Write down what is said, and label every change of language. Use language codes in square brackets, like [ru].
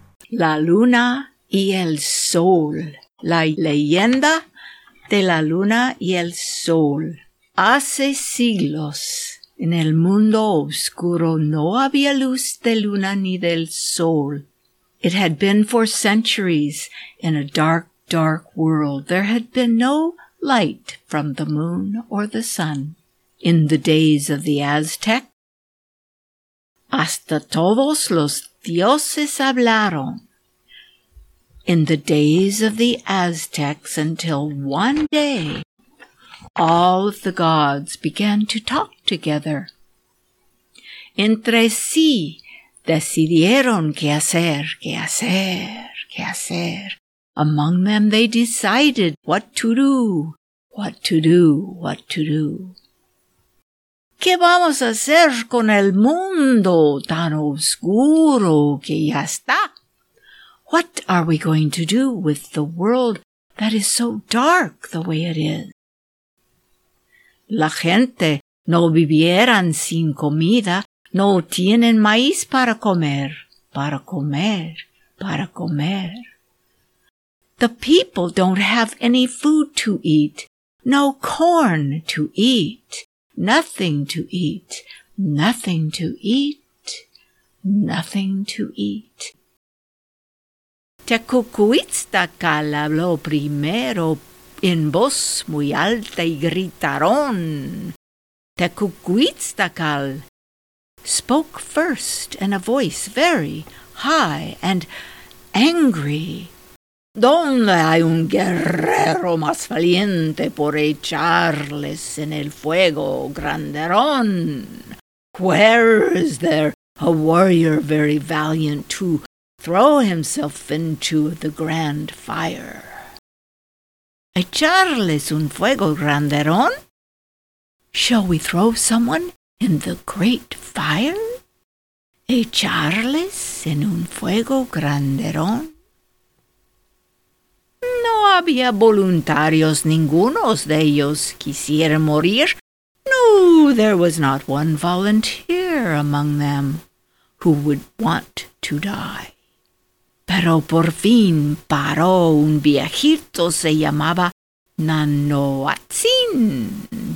[es] La luna y el sol. La leyenda de la luna y el sol. Hace siglos, en el mundo oscuro, no había luz de luna ni del sol. [en] It had been for centuries in a dark, dark world. There had been no light from the moon or the sun. In the days of the Aztec, [es] hasta todos los dioses hablaron. [en] In the days of the Aztecs, until one day, all of the gods began to talk together. [es] Entre sí, decidieron qué hacer, qué hacer, qué hacer. [en] Among them, they decided what to do, what to do, what to do. [es] ¿Qué vamos a hacer con el mundo tan oscuro que ya está? [en] What are we going to do with the world that is so dark the way it is? [es] La gente no vivieran sin comida, no tienen maíz para comer, para comer, para comer. [en] The people don't have any food to eat, no corn to eat, nothing to eat, nothing to eat, nothing to eat. [es] Tecucuitzacatl habló primero en voz muy alta y gritaron. [en] Tecucuitzacatl spoke first in a voice very high and angry. [es] ¿Dónde hay un guerrero más valiente por echarles en el fuego, granderón? [en] Where is there a warrior very valiant to throw himself into the grand fire? [es] ¿Echarles un fuego, granderón? [en] Shall we throw someone in the great fire? [es] ¿Echarles en un fuego, granderón? No había voluntarios, ningunos de ellos quisiera morir. [en] No, there was not one volunteer among them who would want to die. [es] Pero por fin paró un viejito, se llamaba Nanoatzin.